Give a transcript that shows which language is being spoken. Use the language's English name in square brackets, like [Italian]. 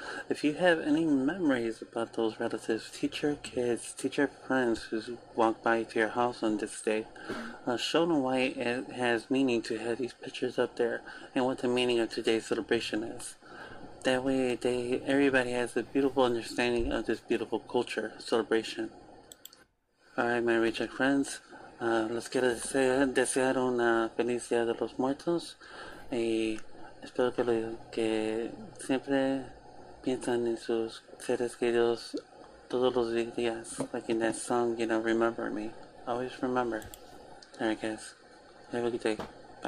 [English] If you have any memories about those relatives, teach your kids, teach your friends who's walked by to your house on this day. Show them why it has meaning to have these pictures up there and what the meaning of today's celebration is. That way, everybody has a beautiful understanding of this beautiful culture celebration. Alright, my reject friends, [Spanish] Les quiero desear una feliz Día de los Muertos y espero que siempre piensen en sus seres queridos todos los días. [English] Like in that song, you know, remember me. Always remember. There it goes. Have a good day.